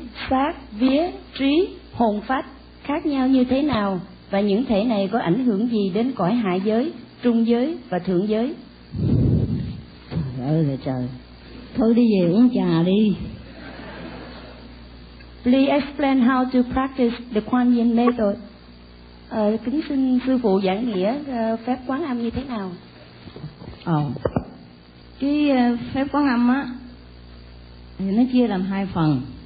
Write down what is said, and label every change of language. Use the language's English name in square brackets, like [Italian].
[Vietnamese] Xác, vía, trí, hồn phách khác nhau như thế nào, và những thể này có ảnh hưởng gì đến cõi hạ giới, trung giới và thượng giới? Trời ơi trời, thôi đi về uống trà đi. [English] Please explain how to practice the Quan Yin method. [Vietnamese] Kính xin sư phụ giảng nghĩa phép Quán Âm như thế nào? Cái phép Quán Âm á thì nó chia làm hai phần.